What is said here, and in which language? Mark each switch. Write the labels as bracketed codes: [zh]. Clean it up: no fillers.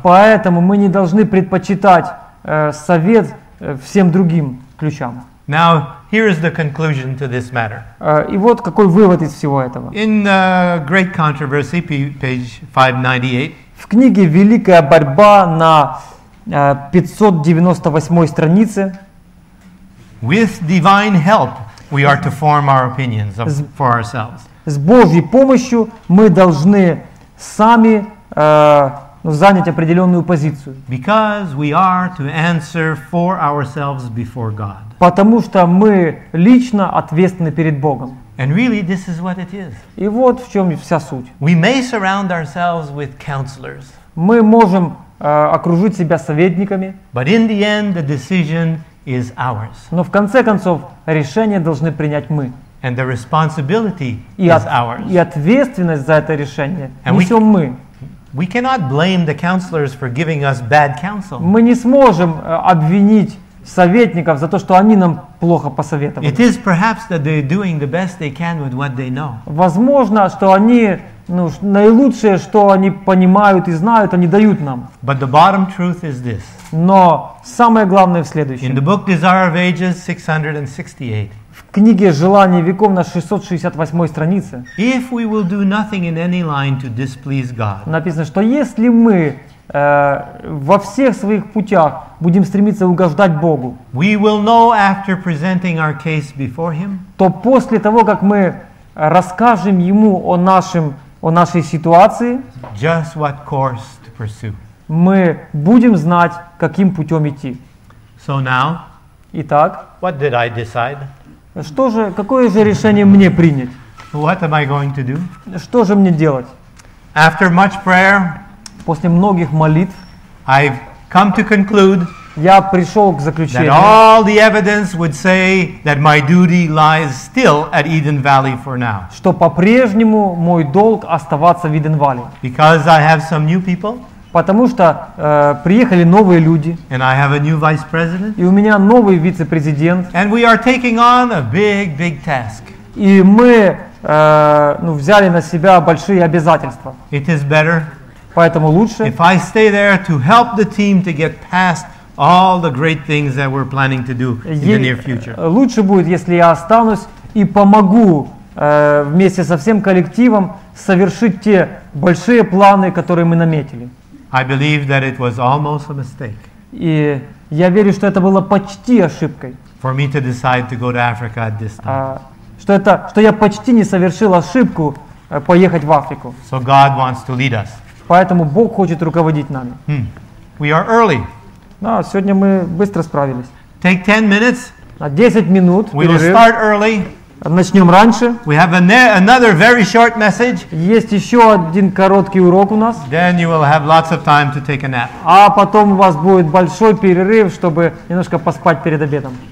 [ru] Поэтому мы не должны предпочитать совет всем другим ключам. [en] Now, here is the conclusion to this matter. [ru] И вот какой вывод из всего этого. [en] In Great Controversy, page 598. [ru] В книге «Великая борьба» на 598 странице. [en] With divine help, we are to form our opinions for ourselves. [ru] С Божьей помощью мы должны сами занять определенную позицию. [en] Because we are to answer for ourselves before God. [ru] Потому что мы лично ответственны перед Богом. [en] And really, this is what it is. [ru] И вот в чем вся суть. [en] We may surround ourselves with counselors. [ru] Мы можем окружить себя советниками. [en] But in the end, the decision is ours. [ru] Но в конце концов, решение должны принять мы. [en] And the responsibility is ours. [ru] И ответственность за это решение несем мы. [en] We cannot blame the counselors for giving us bad counsel. [ru] Мы не сможем обвинить советников за то, что они нам плохо посоветовали. [en] It is perhaps that they are doing the best they can with what they know. [ru] Возможно, что они, наилучшее, что они понимают и знают, они дают нам. [en] But the bottom truth is this. [ru] Но самое главное в следующем. [en] In the book Desire of Ages 668. [ru] В книге «Желание веков» на 668 странице. [en] If we will do nothing in any line to displease God. [ru] Написано, что если мы во всех своих путях будем стремиться угождать Богу, [en] we will know after presenting our case before him, [ru] то после того, как мы расскажем Ему о нашей ситуации, [en] just what course to pursue. [ru] Мы будем знать, каким путем идти. [en] So now, [ru] итак, [en] what did I decide? [ru] Что же, какое же решение мне принять? [en] What am I going to do? [ru] Что же мне делать? [en] After much prayer, [ru] после многих молитв, [en] I've come to conclude, [ru] я пришел к заключению, [en] that all the evidence would say that my duty lies still at Eden Valley for now. [ru] Что по-прежнему мой долг оставаться в Иден-Вале. [en] Because I have some new people. [ru] Потому что приехали новые люди. [en] And I have a new vice president. [ru] И у меня новый вице-президент. [en] And we are taking on a big, big task. [ru] И мы взяли на себя большие обязательства. [en] It is better. [ru] Поэтому лучше, [en] if I stay there to help the team to get past all the great things that we're planning to do in the near future. [ru] Лучше будет, если я останусь и помогу вместе со всем коллективом совершить те большие планы, которые мы наметили. [en] I believe that it was almost a mistake. [ru] И я верю, что это было почти ошибкой. [en] For me to decide to go to Africa at this time. [ru] Что я почти не совершил ошибку поехать в Африку. [en] So God wants to lead us. [ru] Поэтому Бог хочет руководить нами. [en] Hmm. We are early. [ru] Да, сегодня мы быстро справились. [en] Take 10 minutes. [ru] На 10 минут перерыв. [en] We will start early. [ru] Начнем раньше. [en] We have another very short message. [ru] Есть еще один короткий урок у нас. [en] Then you will have lots of time to take a nap. [ru] А потом у вас будет большой перерыв, чтобы немножко поспать перед обедом.